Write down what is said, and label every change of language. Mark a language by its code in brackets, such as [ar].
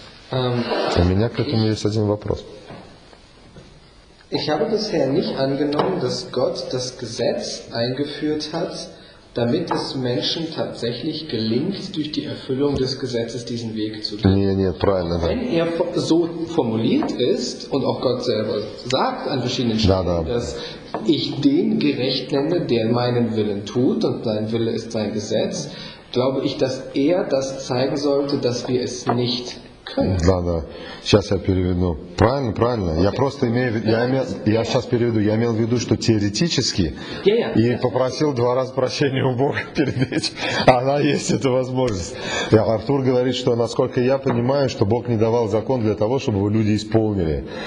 [ru] У меня к этому есть один вопрос. [de] Ich habe bisher nicht angenommen, dass Gott das Gesetz eingeführt hat, damit es Menschen tatsächlich gelingt, durch die Erfüllung des Gesetzes diesen Weg zu gehen. [ru] Нет, правильно. [de] Wenn er so formuliert ist und auch Gott selber sagt an verschiedenen Stellen, dass ich den gerecht nenne, der meinen Willen tut und sein Wille ist sein Gesetz, glaube ich, dass er das zeigen sollte, dass wir es nicht [ru] Да. Сейчас я переведу. Правильно. Okay. Я имел в виду, что теоретически и попросил два раза прощения у Бога перед этим. Она есть эта возможность. Артур говорит, что насколько я понимаю, что Бог не давал закон для того, чтобы его люди исполнили.